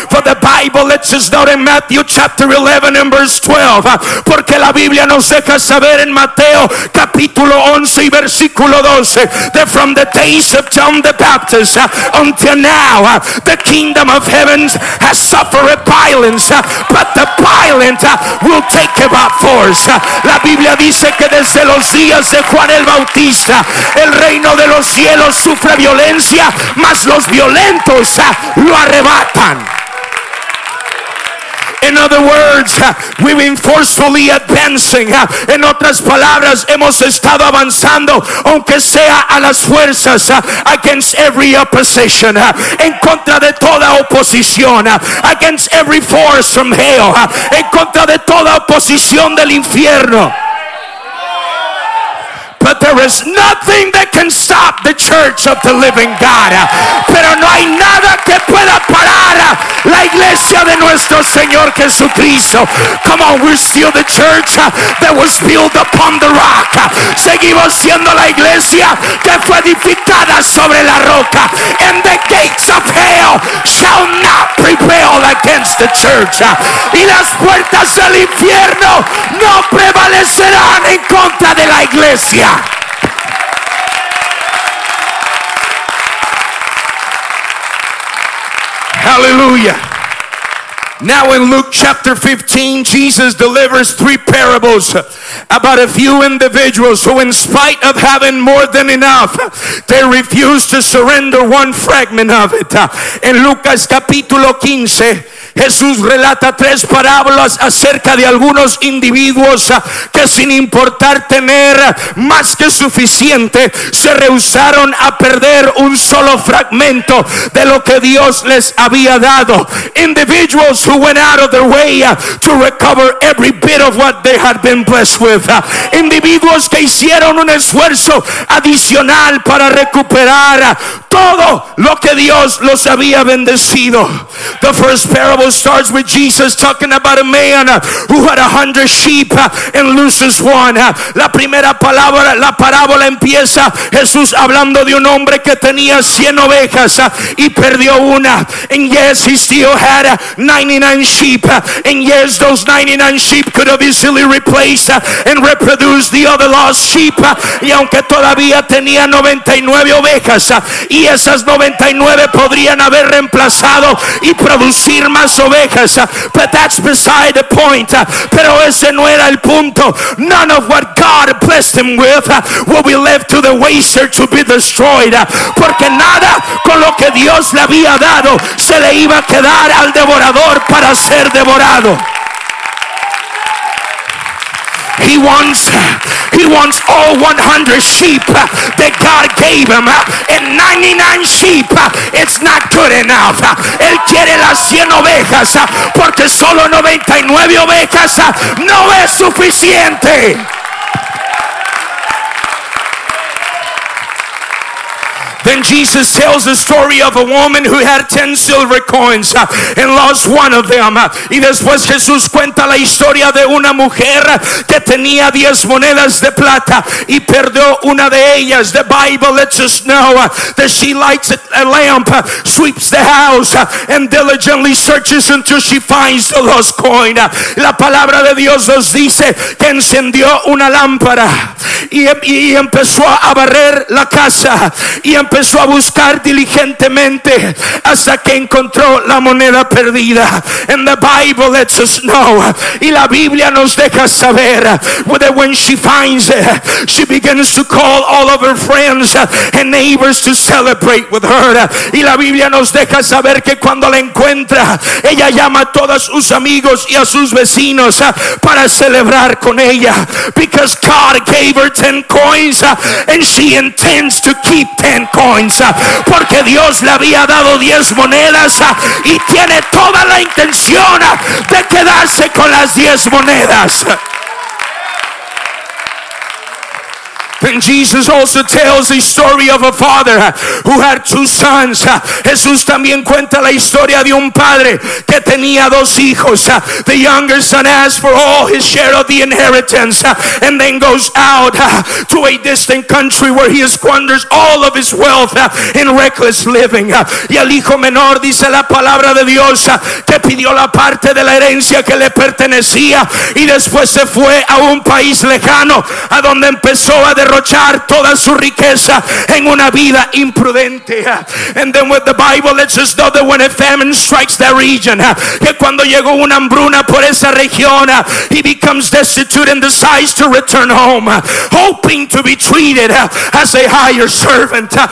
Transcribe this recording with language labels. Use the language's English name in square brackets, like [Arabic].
[English] For the Bible lets us know in Matthew chapter 11 and verse 12. [Spanish] Porque la Biblia nos deja saber en Mateo capítulo 11 y versículo 12. [English] That from the days of John the Baptist until now, the kingdom of heaven has suffered violence. But the violent will take it by force. [Spanish] La Biblia dice que desde los días de Juan el Bautista, el reino de los cielos sufre violencia, mas los violentos lo arrebatan. [English] In other words, we've been forcefully advancing. [Spanish] En otras palabras, hemos estado avanzando, aunque sea a las fuerzas, [English] against every opposition, [Spanish] en contra de toda oposición, [English] against every force from hell, [Spanish] en contra de toda oposición del infierno. [English] But there is nothing that can stop the church of the living God. [Spanish] Pero no hay nada que pueda parar la iglesia de nuestro Señor Jesucristo. [English] Come on, we're still the church that was built upon the rock. [Spanish] Seguimos siendo la iglesia que fue edificada sobre la roca. [English] And the gates of hell shall not prevail against the church. [Spanish] Y las puertas del infierno no prevalecerán en contra de la iglesia. [English] Hallelujah. Now in Luke chapter 15, Jesus delivers three parables about a few individuals who, in spite of having more than enough, they refuse to surrender one fragment of it. [Spanish] In Lucas capítulo 15, Jesús relata tres parábolas acerca de algunos individuos que, sin importar tener más que suficiente, se rehusaron a perder un solo fragmento de lo que Dios les había dado. [English] Individuals who went out of their way to recover every bit of what they had been blessed with. [Spanish] Individuos que hicieron un esfuerzo adicional para recuperar todo lo que Dios los había bendecido. [English] The first parable starts with Jesus talking about a man who had 100 sheep and loses one. [Spanish] La primera palabra, la parábola empieza Jesús hablando de un hombre que tenía 100 ovejas y perdió una. [English] And yes, he still had 99 sheep. And yes, those 99 sheep could have easily replaced and reproduced the other lost sheep. [Spanish] Y aunque todavía tenía 99 ovejas, y esas 99 podrían haber reemplazado y producir más ovejas, [English] but that's beside the point. [Spanish] Pero ese no era el punto. [English] None of what God blessed him with will be left to the waster to be destroyed. [Spanish] Porque nada con lo que Dios le había dado se le iba a quedar al devorador para ser devorado. [English] He wants all 100 sheep that God gave him. And 99 sheep, it's not good enough. [Spanish] Él quiere las 100 ovejas, porque solo 99 ovejas no es suficiente. [English] Then Jesus tells the story of a woman who had 10 silver coins and lost one of them. [Spanish] Y después Jesús cuenta la historia de una mujer que tenía 10 monedas de plata y perdió una de ellas. [English] The Bible lets us know that she lights a lamp, sweeps the house, and diligently searches until she finds the lost coin. [Spanish] La palabra de Dios nos dice que encendió una lámpara y empezó a barrer la casa y empezó a buscar diligentemente hasta que encontró la moneda perdida. [English] And the Bible lets us know, [Spanish] y la Biblia nos deja saber, [English] that when she finds it, she begins to call all of her friends and neighbors to celebrate with her. [Spanish] Y la Biblia nos deja saber que cuando la encuentra, ella llama a todos sus amigos y a sus vecinos para celebrar con ella. [English] Because God gave her 10 coins and she intends to keep 10 coins, [Spanish] porque Dios le había dado 10 monedas y tiene toda la intención de quedarse con las 10 monedas. [English] Then Jesus also tells the story of a father who had two sons. [Spanish] Jesús también cuenta la historia de un padre que tenía dos hijos. [English] The younger son asks for all his share of the inheritance and then goes out to a distant country where he squanders all of his wealth in reckless living. [Spanish] Y el hijo menor, dice la palabra de Dios, que pidió la parte de la herencia que le pertenecía y después se fue a un país lejano a donde empezó a derrochar toda su riqueza en una vida imprudente. [English] And then with the Bible lets us know that when a famine strikes that region, [Spanish] que cuando llegó una hambruna por esa región, [English] he becomes destitute and decides to return home, hoping to be treated as a higher servant.